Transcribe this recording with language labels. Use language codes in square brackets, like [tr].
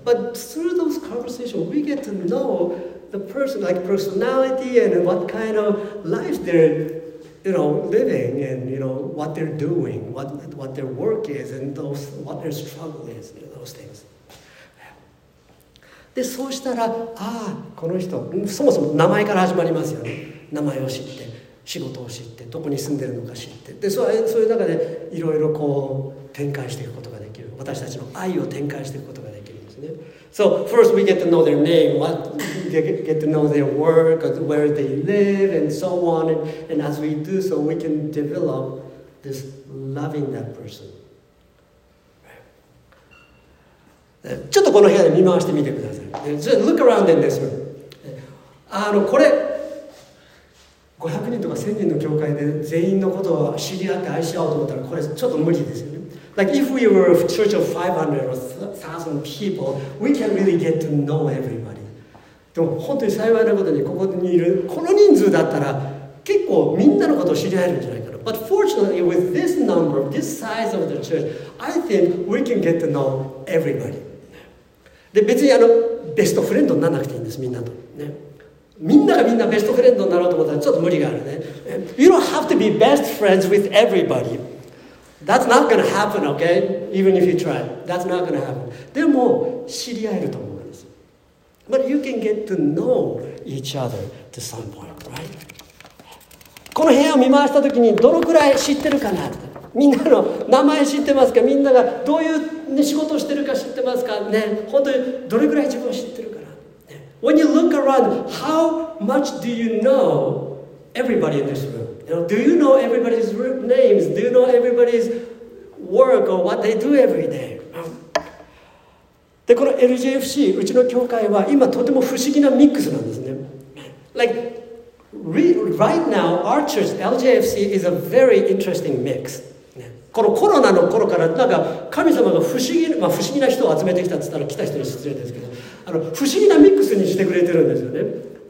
[en] But through those conversations we get to know the person, like personality and what kind of life they're, you know, living and, you know, what they're doing, what their work is and those, what their struggle is, you know, those things. [ja] で、そうしたら、ああ、この人、そもそも名前から始まりますよね。名前を知って、仕事を知って、どこに住んでるのか知って。で、そういう中でいろいろこう展開していくことができる。私たちの愛を展開していくことができるんですね。 [en] So, first we get to know their name, get to know their work, where they live, and so on. And as we do so, we can develop this loving that person. [ja] ちょっとこの部屋で見回してみてください。 [en] Just look around in this room. [ja] これ、500人とか1000人の教会で全員のことを知り合って愛し合おうと思ったら、これちょっと無理ですよね。 [en] Like if we were a church of 500 or 1,000 people, we can really get to know everybody. [ja] でも本当に幸いなことにここにいるこの人数だったら結構みんなのことを知り合えるんじゃないかな。 [en] But fortunately, with this number, this size of the church, I think we can get to know everybody. [ja] で別にベストフレンドにならなくていいんですみんなと、ね、みんながみんなベストフレンドになろうと思ったらちょっと無理があるね。 [en] You don't have to be best friends with everybody. That's not going to happen, okay? Even if you try. That's not going to happen. [ja] でも、知り合えると思うんです。 [en] But you can get to know each other to some point, right? [ja] この部屋を見回したときに、どのくらい知ってるかなって。みんなの名前知ってますか？みんながどういう、ね、仕事をしてるか知ってますか？ね、本当にどれくらい自分を知ってるかな、ね、 [en] When you look around, how much do you know everybody in this room? You know, do you know everybody's names? Do you know everybody's work or what they do every day? [ja] で、この LJFC、うちの教会は今とても不思議なミックスなんですね。 [en] Like, right now, our church, LJFC, is a very interesting mix. [ja] このコロナの頃から、なんか神様が不思議な人を集めてきたって言ったら来た人に失礼ですけど、不思議なミックスにしてくれてるんですよね。